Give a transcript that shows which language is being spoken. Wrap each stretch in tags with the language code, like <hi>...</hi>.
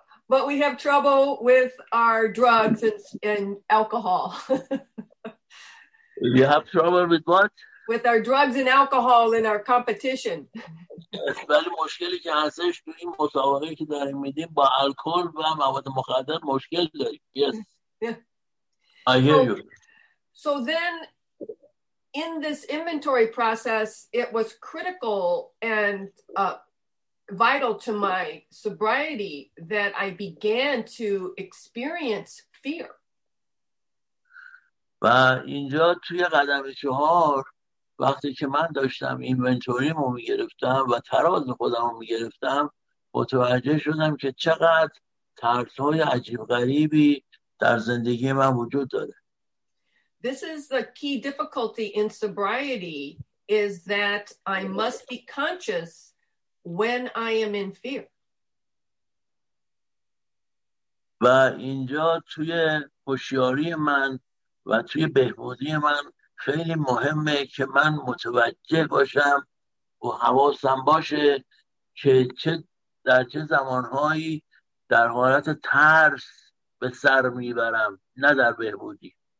<en>But we have trouble with our drugs and alcohol. You have trouble with what? With our drugs and alcohol in our competition.</en> <fa>ولی مشکلی که هستش تو این مسابقه که داریم میدیم با الکل و مواد مخدر مشکل داریم.</fa> <en>Yes. Yeah. I hear you. So then in this inventory process, it was critical and vital to my sobriety that I began to experience fear.</en> <fa>و اینجا توی قدم چهار وقتی که من داشتم اینونتوریمو میگرفتم و تراز خودمو میگرفتم متوجه شدم که چقدر ترس‌های عجیب غریبی در زندگی من وجود داره.</fa> <en>This is the key difficulty in sobriety is that I must be conscious when I am in fear.</en> <fa>و اینجا توی هوشیاری من و توی بهبودی من خیلی مهمه که من متوجه باشم و حواسم باشه که چه در چه زمانهایی در حالت ترس به سر میبرم نه در بهبودی.</fa>